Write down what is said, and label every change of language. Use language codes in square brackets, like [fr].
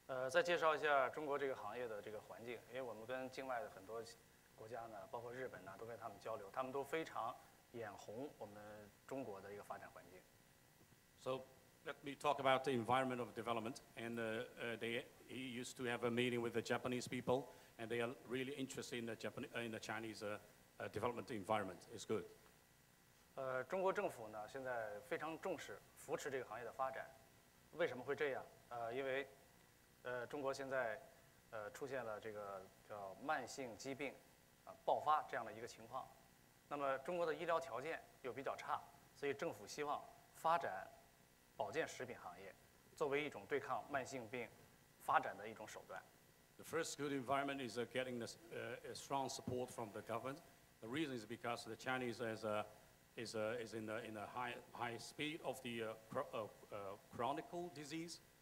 [zh] 再介绍一下中国这个行业的这个环境，因为我们跟境外的很多国家呢，包括日本呢，都跟他们交流，他们都非常眼红我们中国的一个发展环境。 [en] So let me talk about the environment of development and they. He used to have a meeting with the Japanese people, and they are really interested in the Japanese, in the Chinese development environment. It's good. [zh] 中国政府呢现在非常重视扶持这个行业的发展。为什么会这样？因为，中国现在，出现了这个叫慢性疾病，爆发这样的一个情况。那么中国的医疗条件又比较差，所以政府希望发展保健食品行业，作为一种对抗慢性病。发展的一种手段。 [en] The first good environment is getting the strong support from the government. The reason is because the Chinese is in the high speed of the chronic disease.